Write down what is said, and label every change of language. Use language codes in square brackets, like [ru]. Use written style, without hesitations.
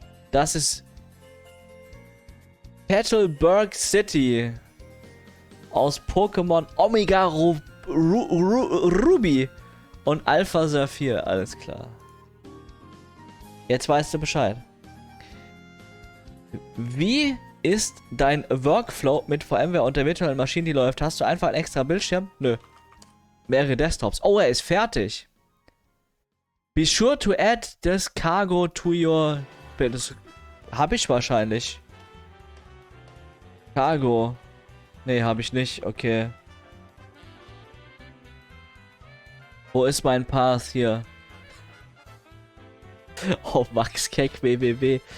[de] Das ist Petalburg City aus Pokémon Omega Ruby und Alpha Saphir. Alles klar. Jetzt weißt du Bescheid. Wie ist dein Workflow mit VMware und der virtuellen Maschine, die läuft? Hast du einfach einen extra Bildschirm? Nö. Mehrere Desktops. Oh, er ist fertig. [en] Be sure to add this cargo to your... [de] Das hab ich wahrscheinlich. Cargo. Nee, hab ich nicht. Okay. Wo ist mein Path hier? Oh, Max Keck, www.